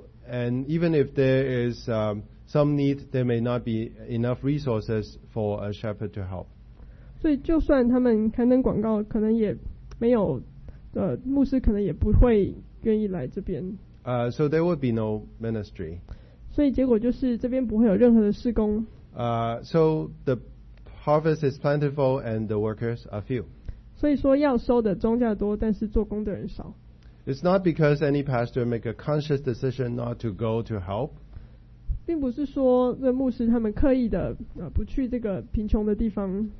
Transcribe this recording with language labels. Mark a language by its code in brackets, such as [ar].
[en] And even if there is some need, there may not be enough resources for a shepherd to help. [zh] 所以就算他们刊登广告，可能也没有牧师可能也不会愿意来这边。 [en] So there would be no ministry. [zh] 所以结果就是这边不会有任何的事工。 [en] So the harvest is plentiful and the workers are few. [zh] 所以说要收的庄稼多，但是做工的人少。 [en] It's not because any pastor make a conscious decision not to go to help. [zh] 并不是说这牧师他们刻意的不去这个贫穷的地方。